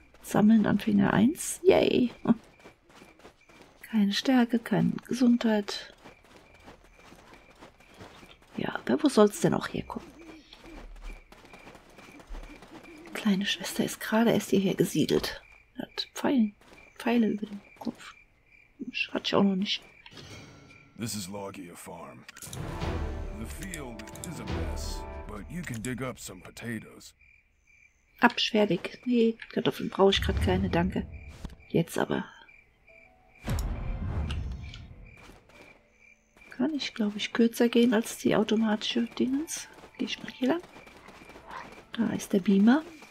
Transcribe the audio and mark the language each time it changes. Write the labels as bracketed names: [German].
[German] Sammeln Anfänger 1. Yay! Keine Stärke, keine Gesundheit. Ja, aber wo soll es denn auch herkommen? Meine Schwester ist gerade erst hierher gesiedelt. Hat Pfeile über dem Kopf. Hat sie auch noch nicht. [English] This is Logia Farm. The field is a mess, but you can dig up some potatoes. Abschwerdig. [German] Nee, Kartoffeln brauche ich gerade keine, danke. Jetzt aber. Kann ich, glaube ich, kürzer gehen als die automatische Dingens. Gehe ich mal hier lang. Da ist der Beamer.